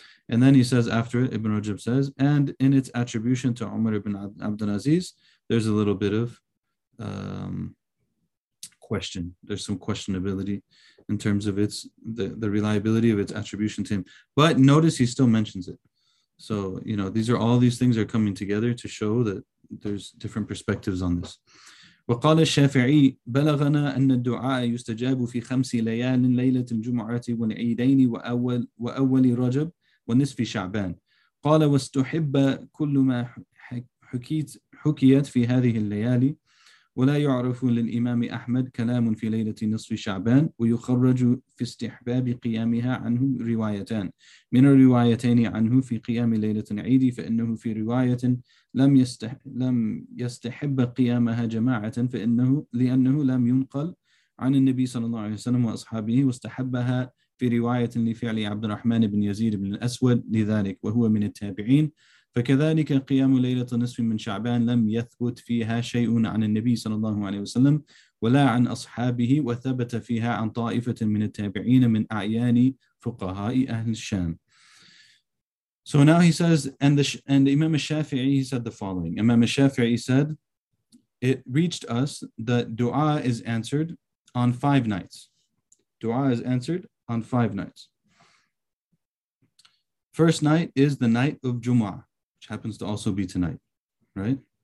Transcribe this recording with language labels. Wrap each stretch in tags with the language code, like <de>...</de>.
<en>And then he says after it, Ibn Rajab says, and in its attribution to Umar ibn Abdulaziz, there's a little bit of question. There's some questionability in terms of its the reliability of its attribution to him. But notice he still mentions it. So, you know, these things are coming together to show that there's different perspectives on this.</en> <ar>وقال الشافعي بلغنا أن الدعاء يستجاب في خمس ليال ليلة الجمعة والعيدين وأول رجب ونصف شعبان. قال واستحب كل ما حكيت في هذه الليالي ولا يعرف للإمام أحمد كلام في ليلة نصف شعبان ويخرج في استحباب قيامها عنه روايتان من الروايتين عنه في قيام ليلة العيد فإنه في رواية لم يستحب قيامها جماعة فإنه لأنه لم ينقل عن النبي صلى الله عليه وسلم وأصحابه واستحبها في رواية لفعل عبد الرحمن بن يزيد بن الأسود لذلك وهو من التابعين فكذلك قيام ليلة نصف من شعبان لم يثبت فيها شيء عن النبي صلى الله عليه وسلم ولا عن أصحابه وثبت فيها عن طائفة من التابعين من أعيان فقهاء أهل الشام.</ar> <en>So now he says, and Imam al-Shafi'i, he said the following. Imam al-Shafi'i said, it reached us that dua is answered on five nights. Dua is answered on five nights. First night is the night of Jumu'ah, happens to also be tonight, right?</en>